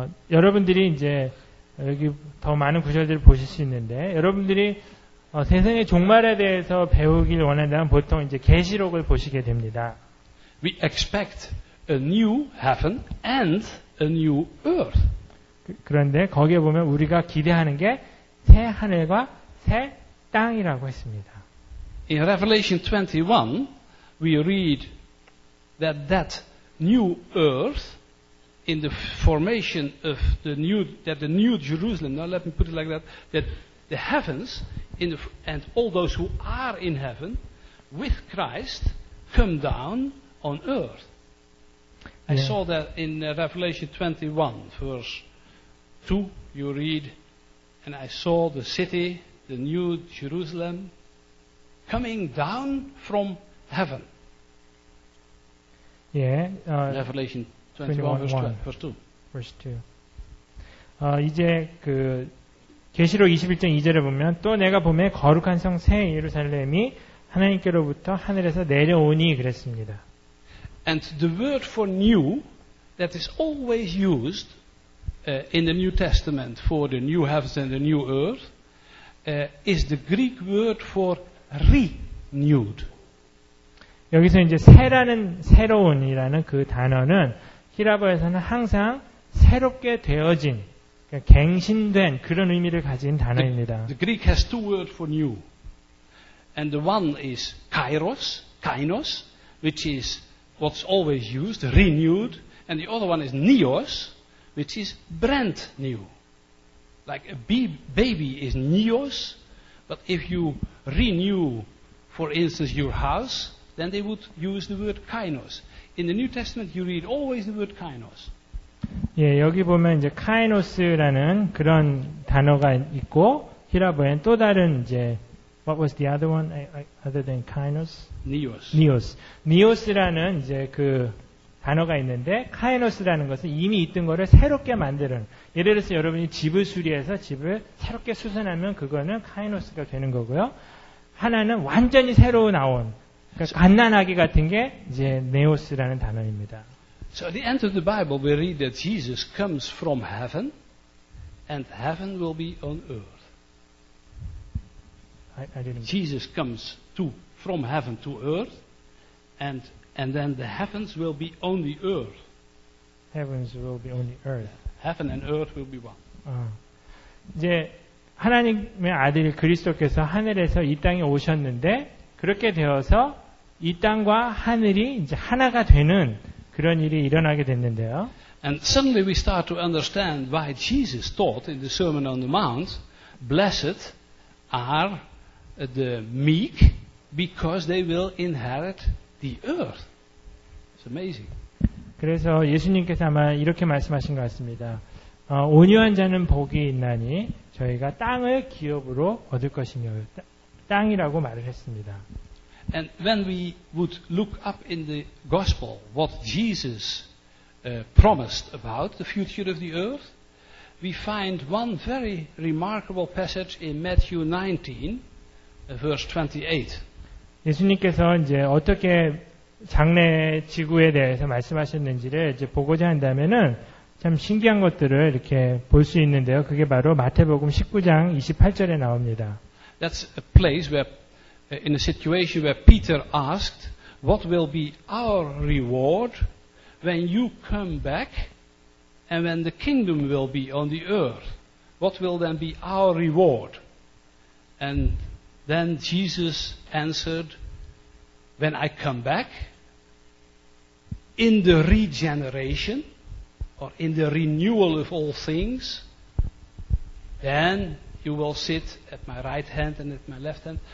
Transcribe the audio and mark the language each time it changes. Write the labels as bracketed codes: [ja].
[ko] 여러분들이 이제 여기 더 많은 구절들을 보실 수 있는데 여러분들이 세상의 종말에 대해서 배우길 원한다면 보통 이제 계시록을 보시게 됩니다. [en] We expect a new heaven and a new earth. [ko] 그런데 거기에 보면 우리가 기대하는 게 새 하늘과 새 땅이라고 했습니다. [en] In Revelation 21, we read that new earth in the formation of the new Jerusalem. Now let me put it like that. That the heavens and all those who are in heaven with Christ come down on earth. Yeah. I saw that in Revelation 21, verse 2, you read, and I saw the city, the new Jerusalem, coming down from heaven. Yeah. Revelation 21, verse 2. [ko] 이제 그 계시록 21장 2절에 보면 또 내가 보매 거룩한 성 새 예루살렘이 하나님께로부터 하늘에서 내려오니 그랬습니다. [en] And the word for new that is always used in the New Testament for the new heavens and the new earth is the Greek word for renewed. [ko] 여기서 이제 새라는 새로운이라는 그 단어는 히라버에서는 항상 새롭게 되어진, 그러니까 갱신된 그런 의미를 가진 단어입니다. [en] The Greek has two words for new. And the one is kairos, which is what's always used, renewed, and the other one is neos, which is brand new. Like a baby is neos, but if you renew, for instance, your house, then they would use the word kainos. In the New Testament, you read always the word kainos. [ko] 예, 여기 보면 이제 kainos라는 그런 단어가 있고 히라보엔 또 다른 이제 [en] what was the other one other than kainos? Neos. [ko] Neos라는 이제 그 단어가 있는데 kainos라는 것은 이미 있던 거를 새롭게 만드는. 예를 들어서 여러분이 집을 수리해서 집을 새롭게 수선하면 그거는 kainos가 되는 거고요. 하나는 완전히 새로 나온 그러니까 갓난아기 같은 게 이제 네오스라는 단어입니다. [en] So at the end of the Bible we read that Jesus comes from heaven and heaven will be on earth. Jesus comes from heaven to earth and then the heavens will be on the earth. Heavens will be on the earth. Heaven and earth will be one. [ko] 이제 하나님의 아들 그리스도께서 하늘에서 이 땅에 오셨는데 그렇게 되어서 이 땅과 하늘이 이제 하나가 되는 그런 일이 일어나게 됐는데요. [en] And suddenly we start to understand why Jesus taught in the Sermon on the Mount, "Blessed are the meek, because they will inherit the earth." It's amazing. [ko] 그래서 예수님께서 아마 이렇게 말씀하신 것 같습니다. 온유한 자는 복이 있나니 저희가 땅을 기업으로 얻을 것이며 땅이라고 말을 했습니다. [en] And when we would look up in the gospel what Jesus promised about the future of the earth, we find one very remarkable passage in Matthew 19, verse 28. [ko] 예수님께서 이제 어떻게 장래 지구에 대해서 말씀하셨는지를 이제 보고자 한다면은 참 신기한 것들을 이렇게 볼 수 있는데요. 그게 바로 마태복음 19장 28절에 나옵니다. [en] That's a place where in a situation where Peter asked, "What will be our reward when you come back and when the kingdom will be on the earth? What will then be our reward?" And then Jesus answered, "When I come back in the regeneration or in the renewal of all things, then you will sit at my right hand and at my left hand."